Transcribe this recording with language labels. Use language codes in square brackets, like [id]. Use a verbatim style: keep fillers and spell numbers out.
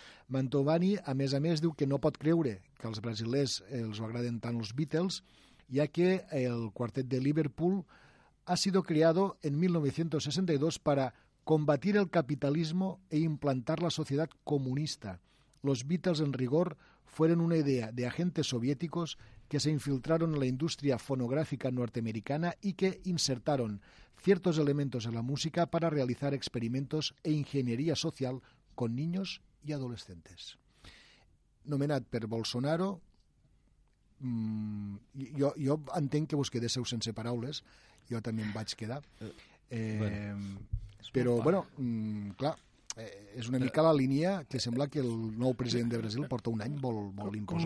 [ca] Mantovani, a més a més, diu que no pot creure que als brasilers els agraden tant els Beatles, ja que el quartet de Liverpool [es] ha sido creado en mil novecientos sesenta y dos para combatir el capitalismo e implantar la sociedad comunista. Los Beatles, en rigor, fueron una idea de agentes soviéticos que se infiltraron en la industria fonográfica norteamericana y que insertaron ciertos elementos en la música para realizar experimentos e ingeniería social con niños y adolescentes. [ca] Nomenat per Bolsonaro, mmm, jo, jo entenc que vos quedéssiu sense paraules, jo també em vaig quedar, eh, bueno, però, bueno, mmm, clar, Eh, és una mica la línia que sembla que el nou president de Brasil porta un any molt, molt imposat.